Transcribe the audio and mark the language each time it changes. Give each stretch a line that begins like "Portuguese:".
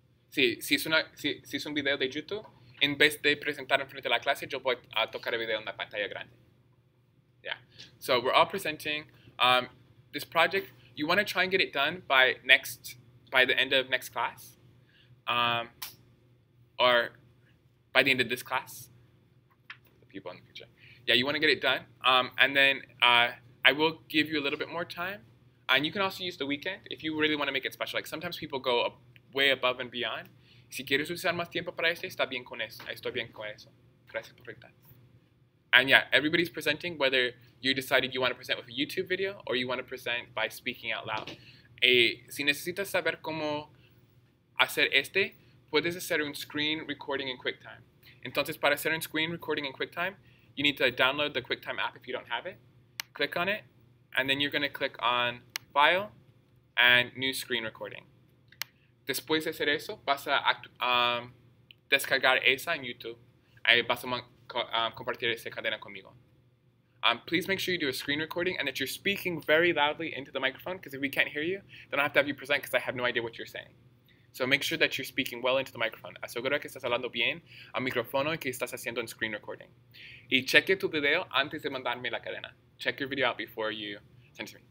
Spanish: Sí, si es un video de YouTube, en vez de presentar en frente de la clase, yo voy a tocar el video en la pantalla grande.
English: Yeah. So we're all presenting. This project, you want to try and get it done by the end of next class. Or by the end of this class. The people in the future. Yeah, you want to get it done. And then I will give you a little bit more time. And you can also use the weekend if you really want to make it special. Like sometimes people go way above and beyond.
Spanish: Si quieres usar más tiempo para este, está bien con eso. Estoy bien con eso. Gracias por preguntar.
English: And yeah, everybody's presenting, whether you decided you want to present with a YouTube video or you want to present by speaking out loud.
Spanish: Si necesitas saber cómo hacer este, puedes hacer un screen recording en QuickTime. Entonces, para hacer un
English: screen recording in QuickTime, you need to download the QuickTime app if you don't have it. Click on it, and then you're going to click on File, and New Screen Recording.
Spanish: Después de hacer eso, vas a descargar esa en YouTube. Ahí vas a compartir esa cadena conmigo.
English: Please make sure you do a screen recording and that you're speaking very loudly into the microphone, because if we can't hear you, then I have to have you present because I have no idea what you're saying. So make sure that you're speaking well into the microphone.
Spanish: Asegura que estás hablando bien al micrófono y que estás haciendo un screen recording. Y cheque tu video antes de mandarme la cadena.
English: Check your video out before you send it to me.